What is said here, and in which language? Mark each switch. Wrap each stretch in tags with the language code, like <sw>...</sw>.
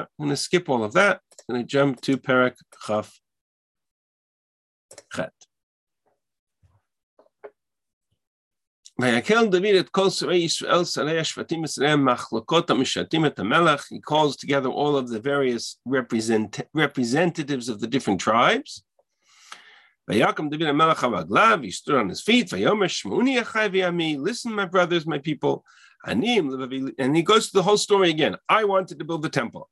<en>I'm going to skip all of that. I'm going to jump to Perek Chaf Chet.</en> <he>ויקל דוד את כל שרי ישראל, שרי השבטים ישראל, מחלוקות המשרתים את המלך.</he> <en>He calls together all of the various representatives of the different tribes.</en> <he>ויקם דוד המלך על רגליו,</he> <en>he stood on his feet,</en> <he>ויאמר שמעוני אחי ועמי,</he> <en>listen my brothers, my people, and he goes through the whole story again. I wanted to build the temple.</en>